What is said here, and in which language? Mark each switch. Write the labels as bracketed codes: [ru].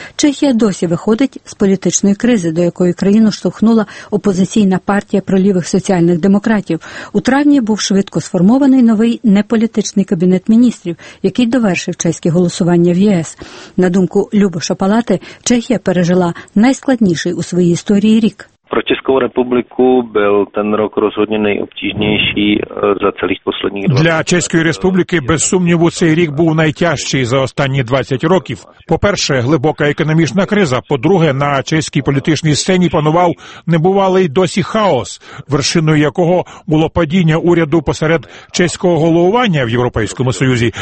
[uk] Чехія досі виходить з політичної кризи, до якої країну штовхнула опозиційна партія пролівих соціальних демократів. У травні був швидко сформований новий неполітичний кабінет міністрів, який довершив чеське голосування в ЄС. На думку Любоша Палати, Чехія пережила найскладніший у своїй історії рік. [cs] Про Českou republiku byl ten rok rozhodně nejobtížnější za celých posledních [uk] 20. Для Чеської Республіки без сумніву цей рік був найтяжчий за останні 20 років. По-перше, глибока економічна криза, по-друге, на чеській політичній сцені панував небувалий досі хаос, вершиною якого було падіння уряду посеред чеського головування в Європейському Союзі.